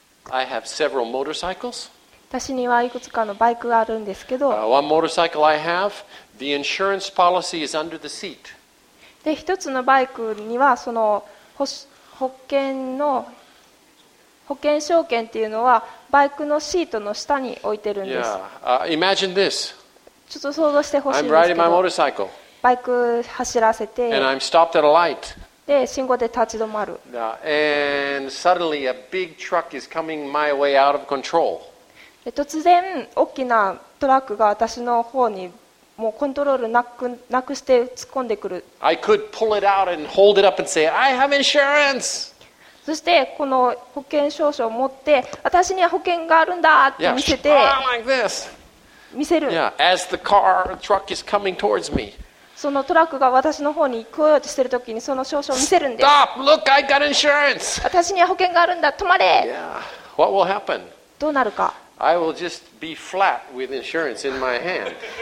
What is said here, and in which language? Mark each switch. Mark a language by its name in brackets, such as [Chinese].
[English] I have several motorcycles. [Japanese] 私にはいくつかのバイクがあるんですけど、 [English] one motorcycle I have, the insurance policy is under the seat. [Japanese] で、一つのバイクにはその保険証券っていうのはバイクのシートの下に置いてるんです。 [English] Imagine this. [Japanese] ちょっと想像してほしいんですけど、 [English] I'm riding my motorcycle. [Japanese] バイク走らせて、 [English] and I'm stopped at a light. [Japanese] で、信号で立ち止まる。 [English] And suddenly a big truck is coming my way out of control. [Japanese] で、突然大きなトラックが私の方にもうコントロールなくして突っ込んでくる。 [English] I could pull it out and hold it up and say, I have insurance. [Japanese] そしてこの保険証書を持って、私には保険があるんだって見せて、見せる。 [English] As the car truck is coming towards me、 [Japanese] そのトラックが私の方に来ようとしてる時にその証書を見せるんです。 [English] Stop! Look! I got insurance! [Japanese] 私には保険があるんだ、止まれ。 [English] Yeah. What will happen? [Japanese] どうなるか。 [English] I will just be flat with insurance in my hand.